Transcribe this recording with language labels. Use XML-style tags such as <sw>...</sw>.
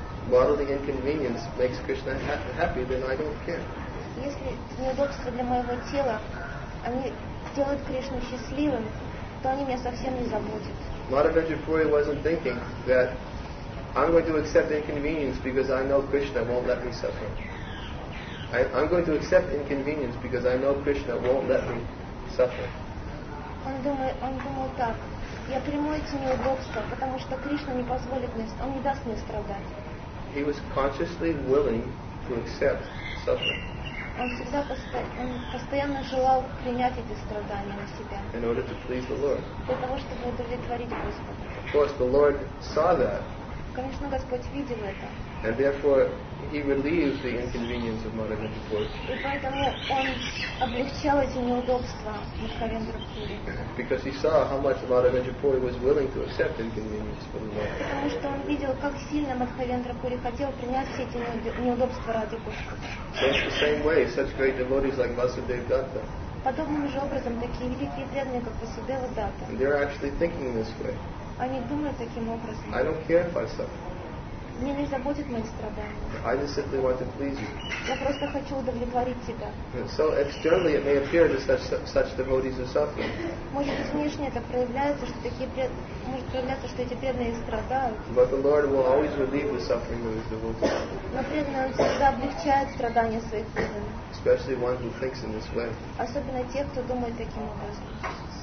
<en>Bodily inconvenience makes Krishna happy, then I don't care.</en> <ru>Если неудобства для моего тела, они делают Кришну счастливым, то они меня совсем не заботят.</ru> <en>Madhavendra Puri wasn't thinking that I'm going to accept inconvenience because I know Krishna won't let me suffer. I'm going to accept inconvenience because I know Krishna won't let me suffer.</en> <ru>Он думал так. Я приму эти неудобства, потому что Кришна не позволит мне, он не даст мне страдать.</ru> <en>He was consciously willing to accept suffering.</en> <ru>Он постоянно желал принять эти страдания на себя.</ru> <en>In order to please the Lord.</en> <ru>Для того, чтобы удовлетворить Господа.</ru> <en>Of course, the Lord saw that.</en> <ru>Конечно, Господь видел это.</ru> <en>And therefore, he relieved the inconvenience of Madhavendra Puri.</en> <ru>И поэтому он облегчал эти неудобства Мадхавендра Пури.</ru> <en>Because he saw how much Madhavendra Puri was willing to accept inconvenience for the Lord.</en> <ru>Потому что он видел, как сильно Мадхавендра Пури хотел принять все эти неудобства ради Господа.</ru> <en>So it's the same way, such great devotees like Vasudeva Datta.</en> <ru>Подобным же образом такие великие преданные, как Васудева Датта.</ru> <en>They're actually thinking this way.</en> <ru>Они думают таким образом.</ru> <en>I don't care if I suffer.</en> <ru>Мне не заботит мои страдания.</ru> <en>I just simply want to please you.</en> <ru>Я просто хочу удовлетворить тебя.</ru> <en>So externally it may appear to such devotees are suffering.</en> <ru>Может быть, внешне это проявляется, что такие может проявляться, что эти преданные страдают.</ru> <en>But the Lord will always relieve the suffering of his devotees.</en> <ru>Но преданные всегда облегчают страдания своих преданных.</ru> <en>Especially one who thinks in this way.</en> <ru>Особенно те, кто думает таким образом.</ru>